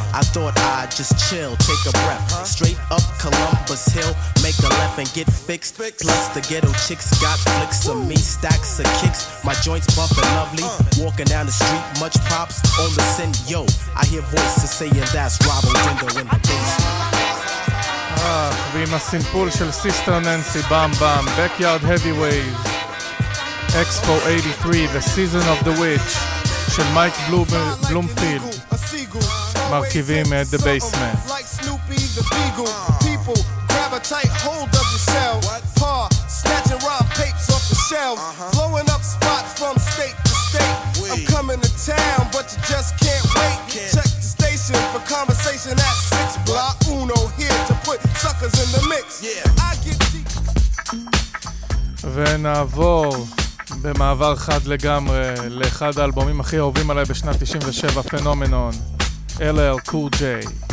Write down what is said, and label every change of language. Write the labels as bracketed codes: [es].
[en] I thought I'd just chill, take a breath, straight up Columbus Hill, make a left and get fixed. Plus the ghetto chicks got flicks of me, stacks of kicks, my joints bumping lovely, walking down the street, much props on the send. Yo, I hear voices saying that's Robert Window in the basement. [he] ועם הסימפול של סיסטר ננסי, בם בם, Backyard Heavyweight, Expo 83, The Season of the Witch של מייק בלומפילד, מרכיבים את The Basement. [en] Like Snoopy the Beagle, people grab a tight hold of yourself, paw, snatch and rob papes off the shelves, blowing up spots from state to state, I'm coming to town, but you just can't wait, check the station for conversation at 6 block, uno here to put suckers in the mix, yeah. I get deep. [he] ונעבור במעבר חד לגמרי לאחד האלבומים הכי אהובים עליי בשנת 97, פנומנון, LL Cool J.